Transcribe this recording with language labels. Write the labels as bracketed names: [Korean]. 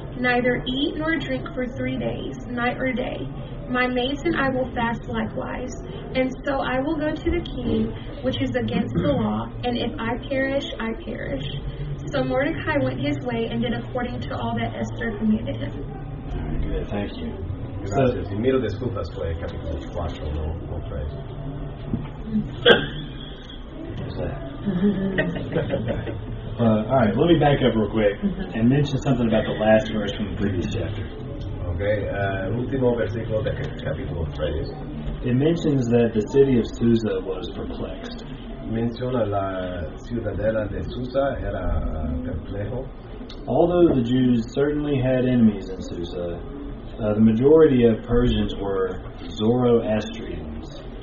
[English] Neither eat nor drink for 3 days, night or day. My maids and I will fast likewise. And so I will go to the king, which is against the law, and if I perish, I perish." So Mordecai went his way and did according to all that Esther commanded him. Good, thank you. [Spanish] Gracias. Y mil disculpas por el capítulo 4, no, no tres. [English] All right, let me back up real quick and mention something about the last verse from the previous chapter. [Spanish] Okay, último versículo de capítulo 3. [English] It mentions that the city of Susa was perplexed. [Spanish] Menciona la ciudadela de Susa era perplejo. [English] Although the Jews certainly had enemies in Susa, the majority of Persians were Zoroastrians.